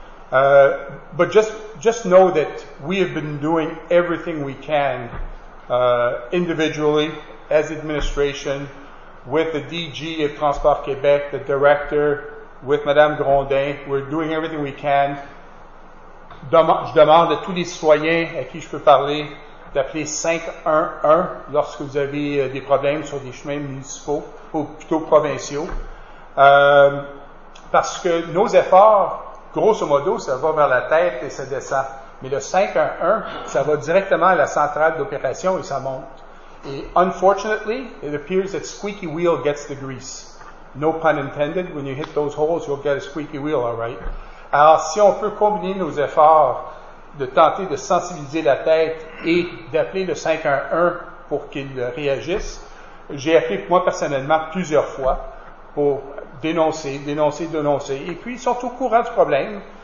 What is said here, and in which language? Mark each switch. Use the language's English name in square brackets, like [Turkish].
[English] But just know that we have been doing everything we can individually, as administration, with the DG of Transport Québec, the director, with Madame Grondin. We're doing everything we can. [French] Je demande à tous les citoyens à qui je peux parler d'appeler 511 lorsque vous avez des problèmes sur des chemins municipaux, ou plutôt provinciaux. Parce que nos efforts, grosso modo, ça va vers la tête et ça descend. Mais le 511, ça va directement à la centrale d'opération et ça monte. Et [English] unfortunately, it appears that squeaky wheel gets the grease. No pun intended, when you hit those holes, you'll get a squeaky wheel, all right? [French] Alors, si on peut combiner nos efforts de tenter de sensibiliser la tête et d'appeler le 511 pour qu'il réagisse, j'ai appelé moi personnellement plusieurs fois pour dénoncer. Et puis, ils sont au courant du problème.